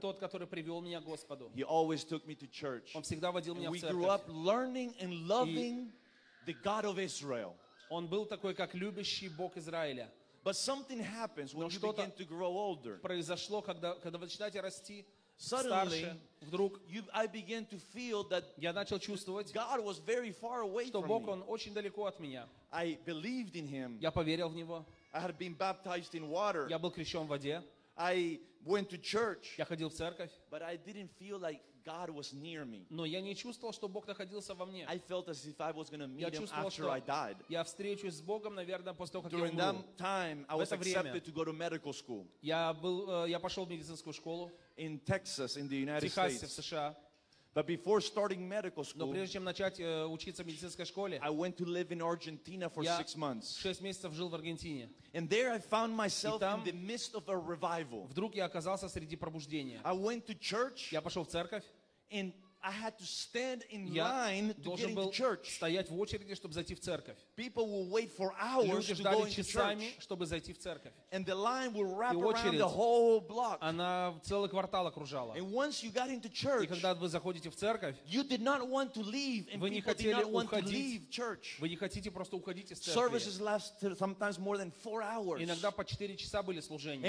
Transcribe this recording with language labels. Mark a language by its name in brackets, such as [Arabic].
[Russian] Тот, который привел меня к Господу. [English] He always took me to church. [Russian] Он всегда водил меня в церковь. [English] We grew up learning and loving the God of Israel. [Russian] Он был такой, как любящий Бог Израиля. [English] But something happens when you begin to grow older. [Russian] Произошло, когда вы начинаете расти. [English] Suddenly, [Russian] вдруг, [English] I began to feel that God was very far away from [Russian] Бог, [English] me. [Russian] Он очень далеко от меня. [English] I believed in Him. [Russian] Я поверил в Него. [English] I had been baptized in water. [Russian] Я был крещен в воде. [English] I went to church. [Russian] Я ходил в церковь. [English] But I didn't feel like God was near me. [Russian] Но я не чувствовал, что Бог находился во мне. [English] I felt as if I was going to meet Him after I died. [Russian] Я встречусь с Богом, наверное, после того, как [English] During [Russian] я умру. [English] During that time, I was accepted to go to medical school. [Russian] Я пошел в медицинскую школу. [English] In Texas, in the United States. But before starting medical school, [Russian] прежде чем начать учиться в медицинской школе, [English] I went to live in Argentina for 6 months. [Russian] Я 6 месяцев жил в Аргентине. [English] And there I found myself in the midst of a revival. [Russian] Вдруг я оказался среди пробуждения. [English] I went to church. [Russian] Я пошел в церковь. [English] And I had to stand in line to get into church. [Russian] Стоять в очереди, чтобы зайти в церковь. [English] People will wait for hours to go into church. [Russian] Чтобы зайти в церковь. [English] And the line will wrap around the whole block. [Russian] Она целый квартал окружала. [English] And once you got into church, [Russian] и когда вы заходите в церковь, [English] you did not want to leave, and [Russian] вы не хотели уходить. Вы не хотите просто уходить из церкви. [English] Services last sometimes more than 4 hours. [Russian] Иногда по 4 часа были служения.